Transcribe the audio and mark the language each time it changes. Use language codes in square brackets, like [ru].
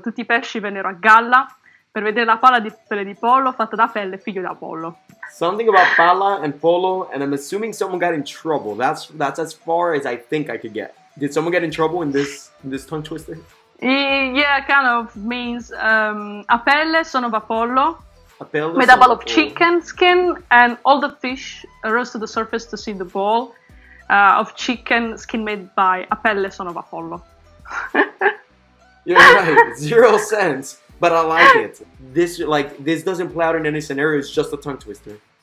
[it] Tutti I pesci vennero a galla per vedere la palla di pelle di pollo fatta da pelle figlio d'Apollo. [en] Something about palla and pollo, and I'm assuming someone got in trouble. That's as far as I think I could get. Did someone get in trouble in this tongue twister? Yeah, kind of means [it] a pelle sono d'Apollo. A pelle [en] made up of chicken skin and all the fish rose to the surface to see the ball. Of chicken skin made by a pelle son of Apollo. You're right, zero sense, but I like it. This doesn't play out in any scenario, it's just a tongue twister.